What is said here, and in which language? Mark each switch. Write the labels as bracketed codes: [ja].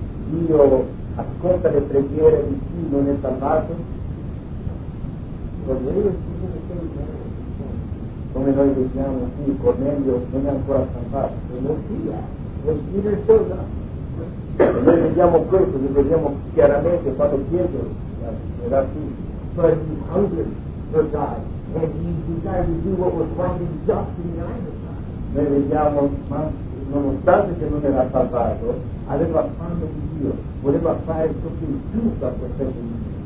[it] Dio ascolta le preghiere di chi non è salvato, come noi vediamo qui, Cornelio non è ancora salvato, e non sia, non si risolva. E noi vediamo questo, lo vediamo chiaramente quando Pietro era qui. [en] But he hungered for God, and he desired to do what was right and just in the eyes of God. [it] Noi vediamo, ma nonostante che non era salvato, aveva fame di Dio, voleva fare ciò che è giusto a questo punto.